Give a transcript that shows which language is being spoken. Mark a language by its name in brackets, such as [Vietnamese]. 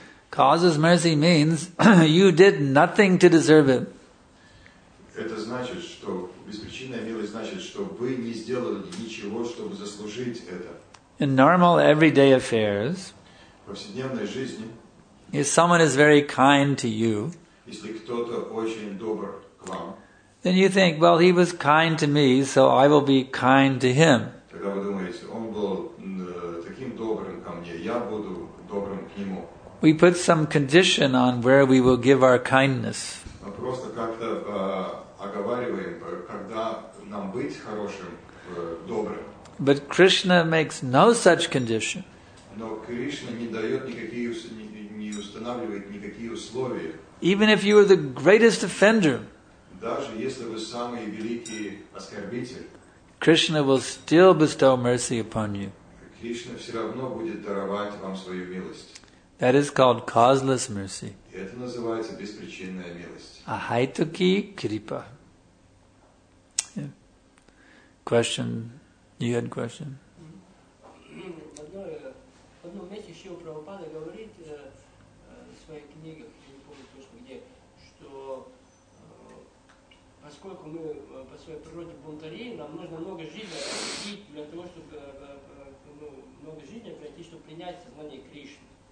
[English] Causeless mercy means you did nothing to deserve it. [Russian] Это значит, что беспричинная милость значит, что вы не сделали ничего, чтобы заслужить это. [English] In normal everyday affairs, [Russian] в повседневной жизни, [English] if someone is very kind to you, [Russian] если кто-то очень добр к вам, [English] then you think, well, he was kind to me, so I will be kind to him. [Russian] Тогда вы думаете, он был таким я буду добрим к нему. [English] We put some condition on where we will give our kindness. [Russian] Мы просто как-то оговариваем, когда нам быть хорошим, добрым. [English] But Krishna makes no such condition. [Russian] Но Кришна не дает не устанавливает никакие условия. [English] Even if you are the greatest offender, [Russian] даже если вы самый великий оскорбитель, [English] Krishna will still bestow mercy upon you. [Russian] Кришна все равно будет даровать вам свою милость. [English] That is called causeless mercy. [Russian] Это называется беспричинная милость. [Sanskrit] Ахайтуки крипа. [English] Question. You had a question. [Russian] Одно место еще у Прабхупады говорит в своих книгах, я не помню точно где, что поскольку мы по своей природе бунтари, нам нужно много жизни пройти для того, чтобы много жизни пройти, чтобы принять сознание Кришны.